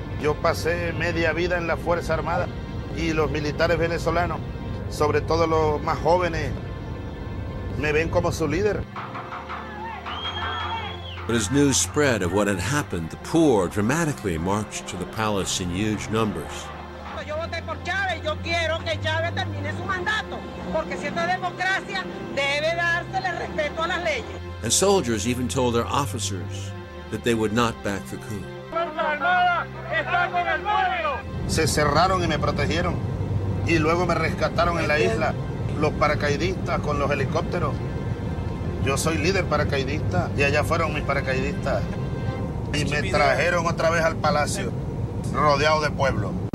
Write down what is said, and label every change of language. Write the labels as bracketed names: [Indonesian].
[Spanish] Yo pasé media vida en la Fuerza Armada y los militares venezolanos, sobre todo los más jóvenes, me ven como su líder. [English] But as news spread of what had happened, the poor dramatically marched to the palace in huge numbers. [Spanish] Yo voté por Chávez. Yo quiero que Chávez termine su mandato, porque si esto es democracia, debe dársele respeto a las leyes. [English] And soldiers even told their officers that they would not back the coup. [Spanish] Se cerraron y me protegieron, y luego me rescataron en la isla los paracaidistas con los helicópteros. Yo soy líder paracaidista, y allá fueron mis paracaidistas, y me trajeron otra vez al palacio, rodeado de pueblo.